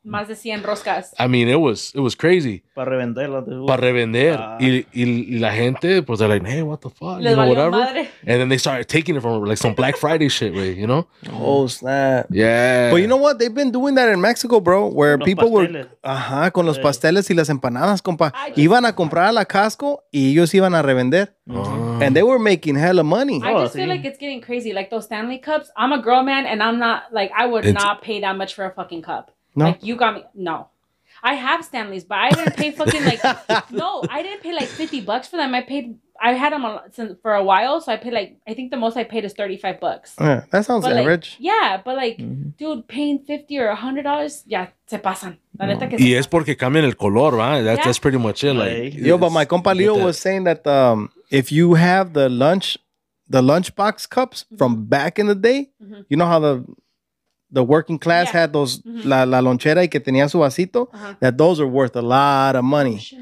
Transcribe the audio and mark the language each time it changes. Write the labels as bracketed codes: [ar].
[es] más de 100 roscas. [en] I mean, it was crazy. [es] Para revenderla. Para revender. Y la gente, pues, [en] they're like, hey, what the fuck? Les, you know, whatever. Madre. And then they started taking it from her, like some Black Friday shit, güey, you know? Oh, snap. Yeah. But you know what? They've been doing that in Mexico, bro, where people were... [es] Ajá, con los pasteles y las empanadas, compa. Iban a comprar a la Costco y ellos iban a revender. [en] Oh. And they were making hella money. I just feel like it's getting crazy. Like those Stanley cups. I'm a girl, man, and I'm not like I would not pay that much for a fucking cup. No, like you got me. No, I have Stanleys, but I didn't pay fucking like. No, I didn't pay like $50 for them. I had them for a while, so I paid like I think the most I paid is $35. Yeah, that sounds but average. Like, yeah, but like, mm-hmm. Dude, paying $50 or $100, yeah, [es] se pasan. No. Y es porque cambian el color, [en] right? That's pretty much it. Like, yo, but my compa Leo was saying that if you have the lunchbox cups from back in the day, mm-hmm. You know how the working class had those, mm-hmm. [es] la lonchera y que tenía su vasito, uh-huh. [en] That those are worth a lot of money.